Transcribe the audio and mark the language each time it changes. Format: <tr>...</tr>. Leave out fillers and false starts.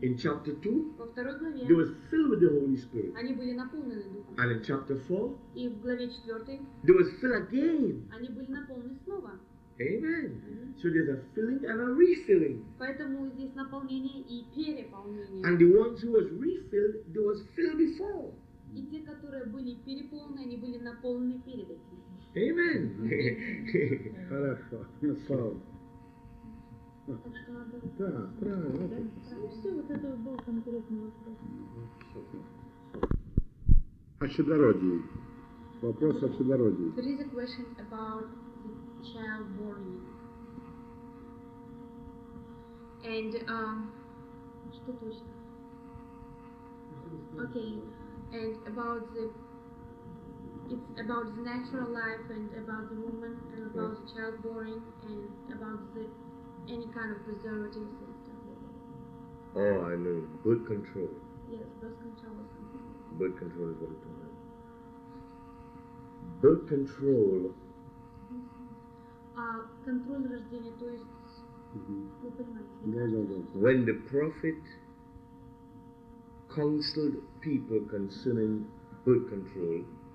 <en>in chapter 2,</en> <ru>во второй главе,</ru> <en>they were filled with the Holy Spirit.</en> <ru>Они были наполнены Духом.</ru> <en>And in chapter 4,</en> <ru>и в главе 4,</ru> <en>they were filled again.</en> <ru>Они были наполнены снова.</ru> <en>Amen. Mm-hmm. So there's a filling and a refilling.</en> <ru>Поэтому здесь наполнение и переполнение.</ru> <en>And the ones who was refilled, they was filled before.</en> <ru>И те, которые были переполнены, они были наполнены перед этим.</ru> <en>Amen.</en> <ru>Хорошо. Так что надо... Да, правильно. Ну все, вот это был конкретный вопрос. О чудородии. Вопрос о чудородии.</ru> <en>There is a question about the child born.</en> <ru>And, что точно?</ru> <en>Okay, and about the... It's about the natural life and about the woman and about the child born and about the... Any kind of preservative system. Oh, I know. Birth control. Yes, birth control was something. birth control is what we're talking about. Birth control.</en> <ru>Контроль рождения, то есть, вы понимаете? Да.</ru> <en>When the prophet counseled people concerning birth control,</en>